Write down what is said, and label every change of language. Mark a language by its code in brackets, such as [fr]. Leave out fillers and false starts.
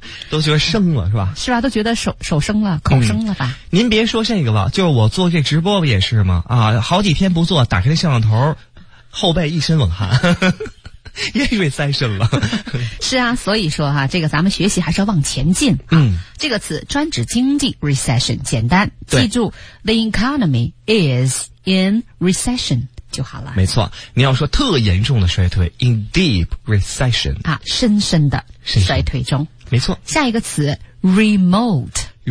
[zh] 都觉得生了是吧？是吧？都觉得手生了，口生了吧？您别说这个了，就是我做这直播不也是吗？啊，好几天不做，打开那摄像头，后背一身冷汗，也因为塞身了。是啊，所以说哈、啊，这个咱们学习还是要往前进。嗯，这个词专指经济 recession， 简单记住 ， [en] the economy is in recession。 [zh] 就好了。没错，你要说特严重的衰退 ， [en] in deep recession [zh] 啊，深深的衰退中。没错，下一个词 remote。